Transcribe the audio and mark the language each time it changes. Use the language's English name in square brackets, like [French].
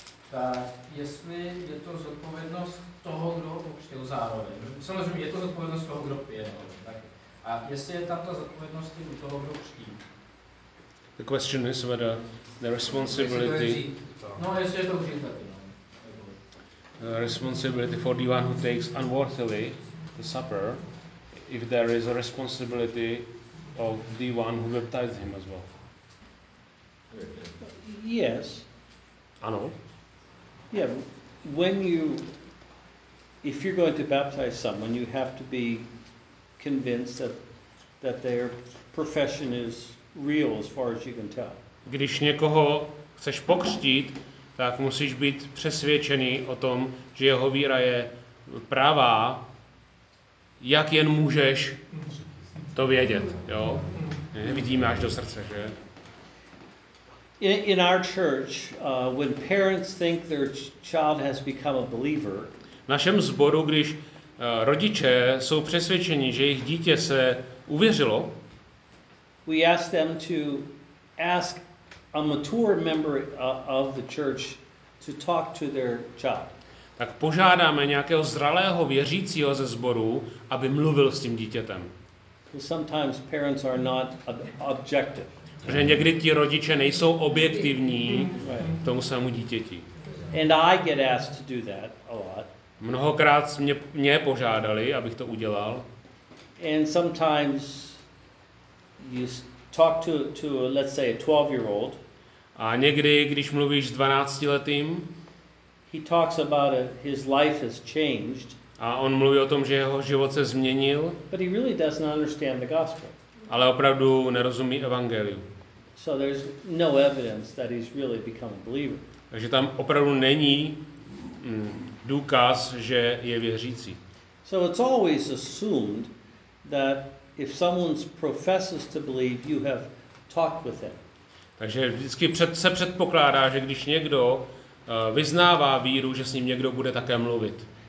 [Czech] Tak jestli je to zodpovědnost toho, kdo pokřtil zároveň. Samozřejmě je to zodpovědnost toho, kdo pije. A jestli je tato zodpovědnost u toho, kdo křtí? [English] The question is whether the responsibility... [Czech] No, jestli je to vzít taky. [English] Responsibility for the one who takes unworthily the supper, if there is a responsibility of the one who baptized him as well. Yes. [Czech] Ano. [English] Yeah, when you, if you're going to baptize someone, you have to be convinced that their profession is real as far as you can tell. [Czech] Když někoho chceš pokřtít, tak musíš být přesvědčený o tom, že jeho víra je pravá, jak jen můžeš to vědět, jo? Vidíme až do srdce, že? [English] In our church, when parents think their child has become a believer, [Czech] v našem sboru, když rodiče jsou přesvědčeni, že jejich dítě se uvěřilo, [English] we ask them to ask a mature member of the church to talk to their child. [Czech] Tak požádáme nějakého zralého věřícího ze sboru, aby mluvil s tím dítětem. [English] Sometimes parents are not objective. [Czech] Že někdy ti rodiče nejsou objektivní k tomu samému dítěti. [English] And I get asked to do that a lot. [Czech] Mnohokrát mě požádali, abych to udělal. [English] And sometimes you talk to let's say a 12-year-old. [Czech] A někdy, když mluvíš s 12-letým, [English] he talks about his life has changed. [Czech] A on mluví o tom, že jeho život se změnil. [English] But he really doesn't understand the gospel. [Czech] Ale opravdu nerozumí evangeliu. [English] So there's no evidence that he's really become a believer. [Czech] Takže tam opravdu není důkaz, že je věřící. [English] So it's always assumed that if someone professes to believe, you have talked with them. [Czech] Takže vždycky se předpokládá, že když někdo vyznává víru, že s ním někdo bude také mluvit.